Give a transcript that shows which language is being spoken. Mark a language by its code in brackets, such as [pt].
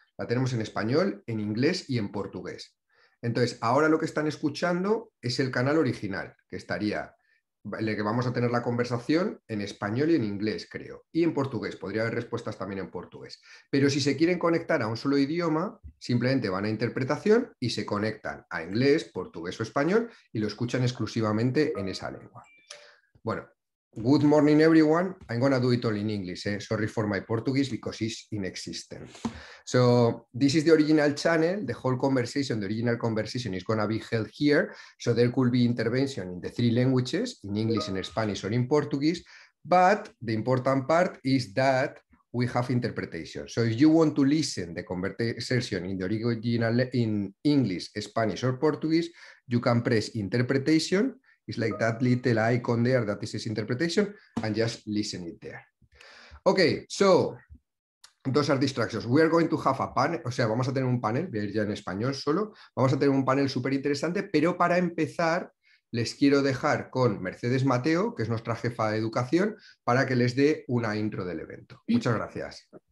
[es] La tenemos en español, en inglés y en portugués. Entonces, ahora lo que están escuchando es el canal original, que estaría en el que vamos a tener la conversación en español y en inglés, creo, y en portugués. Podría haber respuestas también en portugués. Pero si se quieren conectar a un solo idioma, simplemente van a interpretación y se conectan a inglés, portugués o español y lo escuchan exclusivamente en esa lengua. [en] Bueno, good morning everyone. I'm going to do it all in English. Sorry for my Portuguese because it's inexistent. So, this is the original channel. The whole conversation, the original conversation is going to be held here. So, there could be intervention in the three languages, in English, in Spanish, or in Portuguese. But the important part is that we have interpretation. So, if you want to listen the conversation in the original, in English, Spanish, or Portuguese, you can press interpretation. It's like that little icon there that is interpretation and just listen it there. Okay, so those are distractions. We are going to have a panel, [es] o sea, vamos a tener un panel, voy a ir ya en español solo, vamos a tener un panel súper interesante, pero para empezar les quiero dejar con Mercedes Mateo, que es nuestra jefa de educación, para que les dé una intro del evento. Muchas gracias.